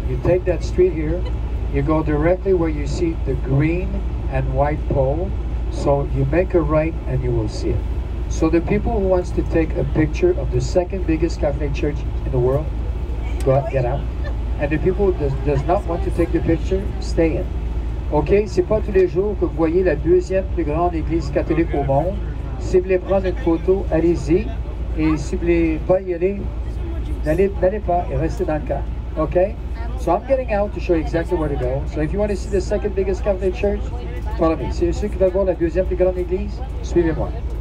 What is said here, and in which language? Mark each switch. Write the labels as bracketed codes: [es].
[en] You take that street here, you go directly where you see the green and white pole, so you make a right and you will see it. So the people who wants to take a picture of the second biggest Catholic church in the world, go out, get out. And the people who does not want to take the picture, stay in. [fr] Okay, c'est pas tous les jours que vous voyez la deuxième plus grande église catholique au monde. Si vous voulez prendre une photo, allez-y. Et si vous voulez pas y aller, n'allez pas et restez dans le cas. [en] Okay? So I'm getting out to show you exactly where to go. So if you want to see the second biggest Catholic church, follow me. [fr] C'est ceux qui veulent voir la deuxième plus grande église, suivez-moi.